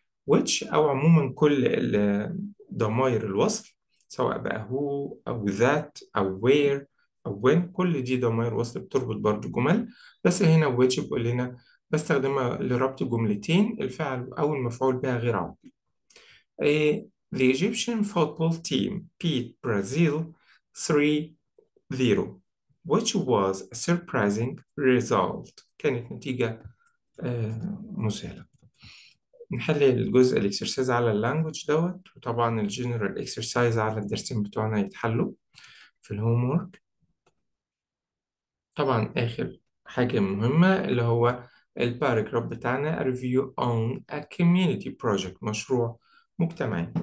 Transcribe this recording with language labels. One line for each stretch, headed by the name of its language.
Arabic: Which أو عموما كل ضمائر الوصل سواء بقى who أو that أو where أو when كل دي ضمائر وصل بتربط برضو جمل، بس هنا which بيقول لنا بستخدمها لربط جملتين الفعل أو المفعول بها غير عربي.
English: The Egyptian football team beat Brazil 3-0, which was a surprising result.
Arabic: كانت نتيجة مذهلة. نحل الجزء الاكسرسايز على اللانجوج دوت، وطبعا الجنرال اكسرسايز على الدرسين بتوعنا يتحلوا في الهومورك. طبعا آخر حاجة مهمة اللي هو الباراجراف بتاعنا
English: A review on a community project،
Arabic: مشروع مجتمعي.